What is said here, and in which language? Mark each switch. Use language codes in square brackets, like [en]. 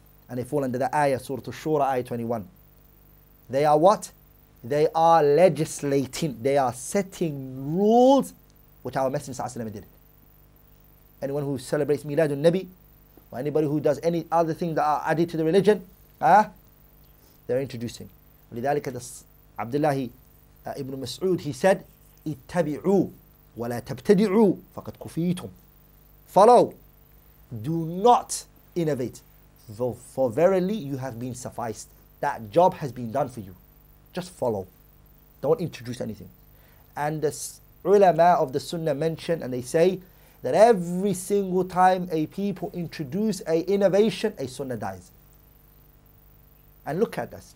[en] And they fall under the ayah, Surah Ash-Shura, ayah 21. They are what? They are legislating. They are setting rules which our Messenger ﷺ did. Anyone who celebrates Miladun Nabi, or anybody who does any other thing that are added to the religion, they're introducing. [ar] لذلك Abdullah ibn Mas'ud, [en] he said, [ar] اتبعوا ولا تبتدعوا فقد كفيتم. [en] Follow, do not innovate, for verily you have been sufficed. That job has been done for you. Just follow, don't introduce anything. And the ulama of the sunnah mention, and they say, that every single time a people introduce a innovation, a sunnah dies. And look at this.